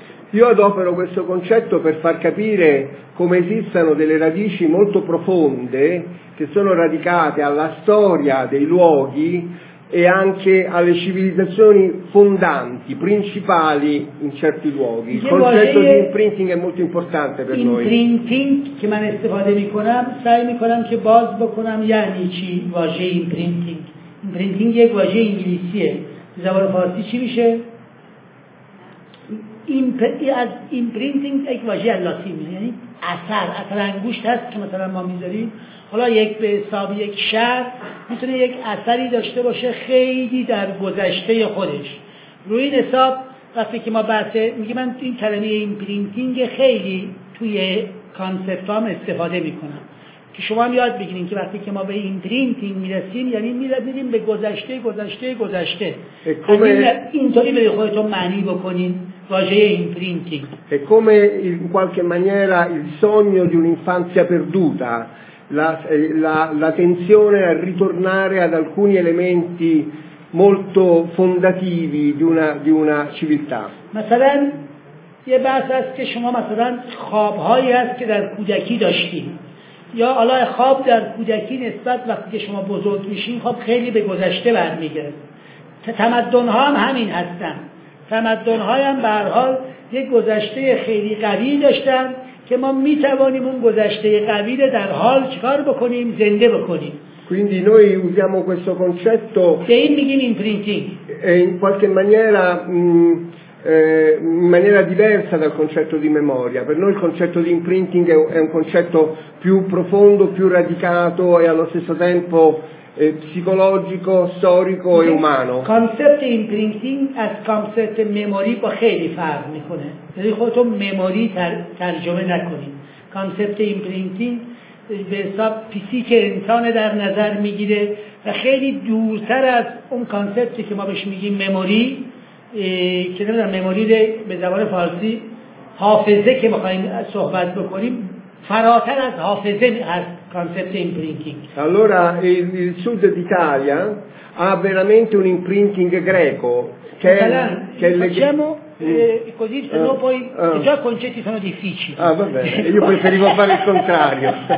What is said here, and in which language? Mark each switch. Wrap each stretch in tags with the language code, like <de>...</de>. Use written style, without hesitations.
<it>Io adopero questo concetto per far capire come esistano delle radici molto profonde che sono radicate alla storia dei luoghi e anche alle civilizzazioni fondanti, principali in certi luoghi. Il concetto di imprinting è molto importante per noi.</it> <fa>Imprinting che man استفاده میکنم سعی میکنم که باز بکنم یعنی چی واژه imprinting. Imprinting یک واژه انگلیسیه. زبان فارسی چی میشه؟ از ایمپرینتینگ یک واژه لاتینی یعنی اثر، اثر انگشت هست که مثلا ما میذاریم، حالا یک به حساب یک شهر میتونه یک اثری داشته باشه خیلی در گذشته خودش. روی این حساب وقتی که ما بحث میگیم، من این کلمه ایمپرینتینگ خیلی توی کانسپت هم استفاده میکنم که شما هم یاد بگیرین که وقتی که ما به ایمپرینتینگ میرسیم یعنی میرسیم به گذشته گذشته گذشته. اینطوری به خودتون معنی بکنین واژه ایمپرینتینگ.</fa> <it>E come in qualche maniera il sogno di un'infanzia perduta, la tensione a ritornare ad alcuni elementi molto fondativi di una civiltà.</it> <fa>مثلا یه بحث هست که شما مثلا خوابهایی هست که در کودکی داشتیم، یا حالا خواب در کودکی نسبت وقتی که شما بزرگ میشین خواب خیلی به گذشته برمیگرده. تمدن‌ها هم همین هستن، تمدن‌های هم به هر حال یک گذشته خیلی قوی داشتن که ما میتوانیم اون گذشته قوی رو در حال چیکار بکنیم، زنده بکنیم.</fa> <it>Quindi noi usiamo questo concetto in qualche maniera, in maniera diversa dal concetto di memoria. Per noi il concetto di imprinting è un concetto più profondo, più radicato e allo stesso tempo psicologico, storico e umano. Il concetto di imprinting è un concetto di memoria che ha molto differenza. Per cui non traduciamo memoria. Il concetto di imprinting</it> <fa>به حساب پیسی که انسان در نظر میگیره و خیلی دورتر از اون کانسپتی که ما بهش میگیم مموری، که نمیدونم مموری ده به زبان فارسی حافظه که بخواییم صحبت بکنیم، فراتر از حافظه از کانسپت ایمپرینتینگ.</fa> <it>Allora il sud d'Italia ha veramente un imprinting greco che facciamo così se no poi già i concetti sono difficili. Ah va bene, io preferivo fare il contrario.</it>